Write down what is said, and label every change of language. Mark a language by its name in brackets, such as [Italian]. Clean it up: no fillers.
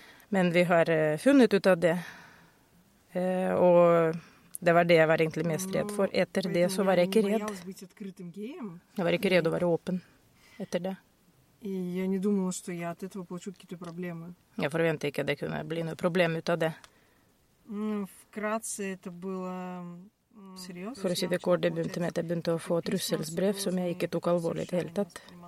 [Norwegian] Men vi har funnet ut av det. Og det var det jeg var egentlig mest redd for. Etter det så var jeg ikke redd. Jeg var ikke redd å være åpen etter det. [Russian] И я не думала, что я от этого получу какие-то проблемы. Я [Norwegian] forventet ikke at det kunne bli noen problem ut av det. [Russian] Ну, вкратце это было серьёзно. [Norwegian] For å si det kort, det begynte med at jeg begynte å få trusselsbrev som jeg ikke tok alvorlig til helt tatt.